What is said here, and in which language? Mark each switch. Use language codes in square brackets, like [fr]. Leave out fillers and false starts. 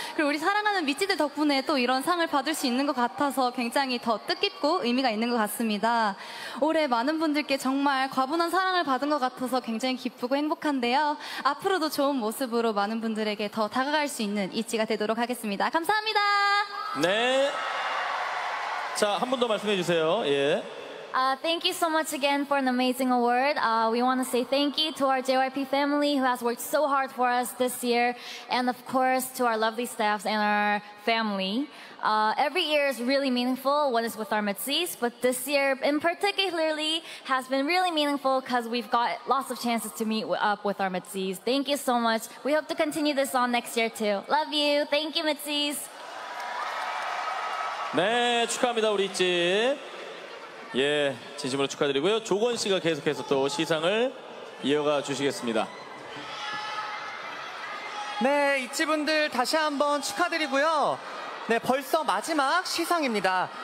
[ko] 그리고 우리 사랑하는 믿지들 덕분에 또 이런 상을 받을 수 있는 것 같아서 굉장히 더 뜻깊고 의미가 있는 것 같습니다. 올해 많은 분들께 정말 과분한 사랑을 받은 것 같아서 굉장히 기쁘고 행복한데요. 앞으로도 좋은 모습으로 많은 분들에게 더 다가갈 수 있는 있지가 되도록 하겠습니다. 감사합니다. 네, 자, 한 분 더 말씀해 주세요. 예. [en] Thank you so much again for an amazing award. We want to say thank you to our JYP family who has worked so hard for us this year, and of course to our lovely staffs and our family. Every year is really meaningful when it's with our MITZIs, but this year in particularly has been really meaningful because we've got lots of chances to meet up with our MITZIs. Thank you so much. We hope to continue this on next year too. Love you. Thank you, MITZIs. [ko] 네, 축하합니다, 우리 있지. 예, 진심으로 축하드리고요. 조건 씨가 계속해서 또 시상을 이어가 주시겠습니다. 네, 있지 분들 다시 한번 축하드리고요. 네, 벌써 마지막 시상입니다.